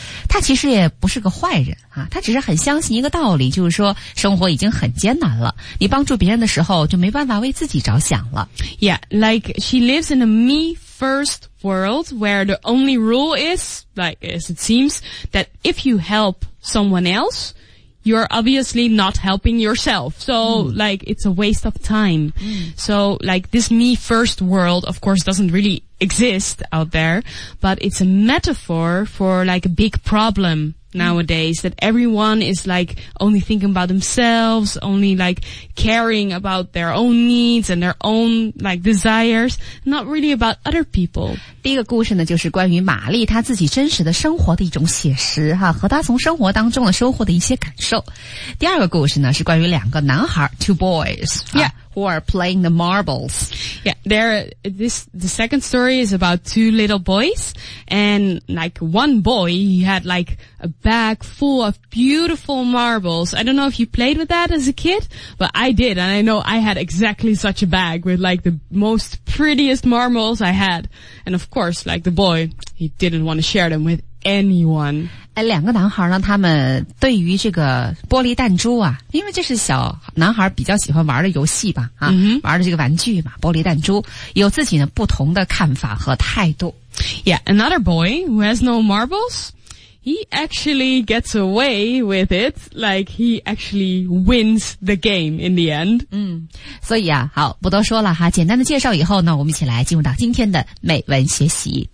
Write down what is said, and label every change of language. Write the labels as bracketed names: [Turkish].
[Chinese] 她其实也不是个坏人啊，她只是很相信一个道理，就是说生活已经很艰难了。你帮助别人的时候就没办法为自己着想了。 [English] Yeah, like she lives in a me first world where the only rule is, like as it seems, that if you help someone else, you're obviously not helping yourself. So, like, it's a waste of time. So, like, this me first world, of course, doesn't really exist out there, but it's a metaphor for like a big problemnowadays, that everyone is like only thinking about themselves, only like caring about their own needs and their own like desires, not really about other people. [Chinese] 第一个故事呢，就是关于玛丽她自己真实的生活的一种写实哈，和她从生活当中的收获的一些感受。第二个故事呢，是关于两个男孩 [English] two boys. Yeah. who are playing the marbles. Yeah, there. This the second story is about two little boys, and like one boy, he had like a bag full of beautiful marbles. I don't know if you played with that as a kid, but I did, and I know I had exactly such a bag with like the most prettiest marbles I had. And of course, like the boy, he didn't want to share them with anyone. [Chinese] 两个男孩呢，他们对于这个玻璃弹珠啊，因为这是小男孩比较喜欢玩的游戏吧，啊， mm-hmm. 玩的这个玩具嘛，玻璃弹珠，有自己呢不同的看法和态度。 [English] Yeah, another boy who has no marbles, he actually gets away with it, like he actually wins the game in the end. [Chinese] 嗯，所以啊，好，不多说了哈，简单的介绍以后呢，我们一起来进入到今天的美文学习。